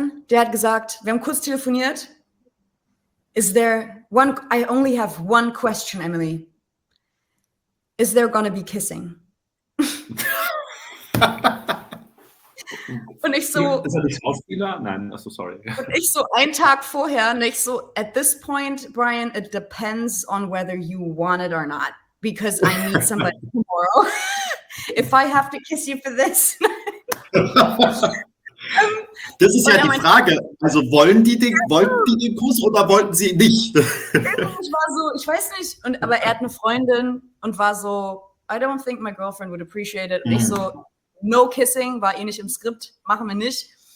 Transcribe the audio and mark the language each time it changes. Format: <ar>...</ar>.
<de>Der hat gesagt, wir haben kurz telefoniert.</de> <en>I only have one question, Emily. Is there gonna be kissing?</en> <de>Und ich so. Ist er nicht Schauspieler? Nein, achso, sorry. Und ich so, einen Tag vorher, und ich so,</de> <en>at this point, Brian, it depends on whether you want it or not. Because I need somebody tomorrow. If I have to kiss you for this.</en> <de>Das ist ja die Frage. Also, wollten die den Kuss oder wollten sie nicht? Ich war so, ich weiß nicht. Aber er hat eine Freundin und war so,</de> <en>I don't think my girlfriend would appreciate it.</en> <de>Und ich so,</de> <en>no kissing,</en> <de>war eh nicht im Skript, machen wir nicht.</de>